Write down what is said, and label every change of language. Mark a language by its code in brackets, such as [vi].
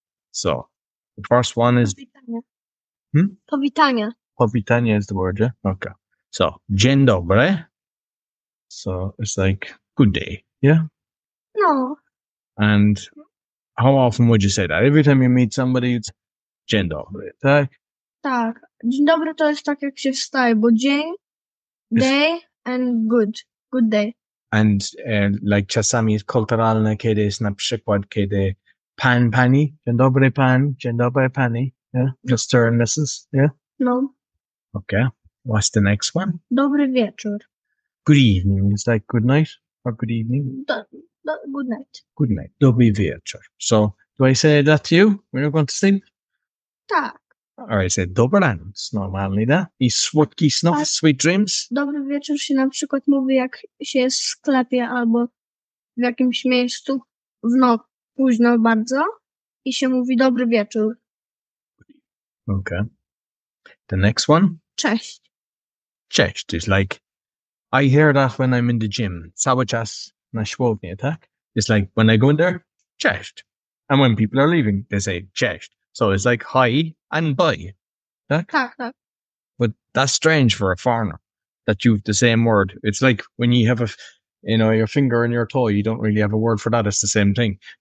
[en] So, the first one is... [pl] Powitania. [en] Powitania is the word, yeah? Okay. So, dzień dobry. So, it's like, good day, yeah? [pl] No. [en] And how often would you say that? Every time you meet somebody, it's dzień dobry, tak? [pl] Tak. Dzień dobry to jest tak, jak się wstaje, bo dzień, day, and good. [en] Good day. [pl] And like czasami jest kulturalne, kiedy jest na przykład, kiedy pan, pani, dzień dobry pan, dzień dobry pani, yeah? [en] Mr. and Mrs., yeah? [pl] No. [en] Okay. What's the next one? [pl] Dobry wieczór. [en] Good evening. Is that good night or good evening? Good night. Good night. [pl] Dobry wieczór. [en] So, do I say that to you when you're going to sleep? [pl] Tak. [en] Or I say, [pl] dobranoc, normalnie, da? I słodki snów, [en] sweet dreams? [pl] Dobry wieczór się na przykład mówi, jak się jest w sklepie albo w jakimś miejscu w noc, późno bardzo, i się mówi dobry wieczór. [en] Okay. The next one? [pl] Cześć. [en] Cześć is like, I hear that when I'm in the gym. [pl] Cały czas na siłowni, tak? [en] It's like, when I go in there, [pl] cześć. [en] And when people are leaving, they say, cześć. So it's like hi and bye. Tak? [pl] Tak, tak. [en] But that's strange for a foreigner that you've the same word. It's like when you have a, you know, your finger and your toe, you don't really have a word for that. It's the same thing.